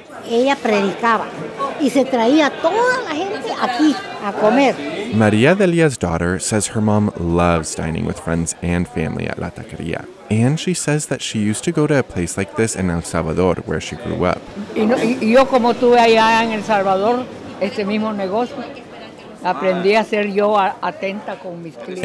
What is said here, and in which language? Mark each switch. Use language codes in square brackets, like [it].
[es] Ella predicaba y se traía toda la gente aquí a comer. [en] Maria Delia's daughter says her mom loves dining with friends and family at La Taqueria. And she says that she used to go to a place like this in El Salvador, where she grew up. [es] Y yo como tuve allá en El Salvador, este mismo negocio. Aprendí a ser yo atenta con mis clientes.